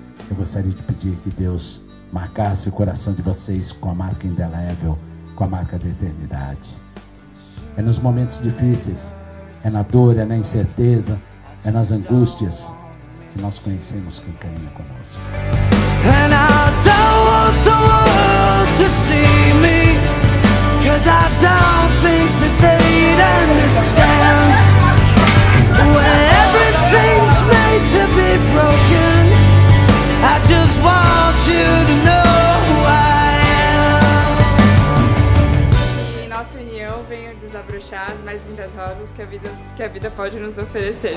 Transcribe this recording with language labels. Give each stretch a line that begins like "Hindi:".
Portuguese: Eu gostaria de pedir que Deus marcasse o coração de vocês com a marca indelével, com a marca da eternidade. É nos momentos difíceis, é na dor, é na incerteza, é nas angústias, que nós conhecemos quem caminha conosco.
English: And I don't want the world to see me, 'cause I don't think that they'd understand. When everything's made to be broken, I just want you to know who I am.
Portuguese: E nossa união vem desabrochar as mais lindas rosas que a vida pode nos oferecer.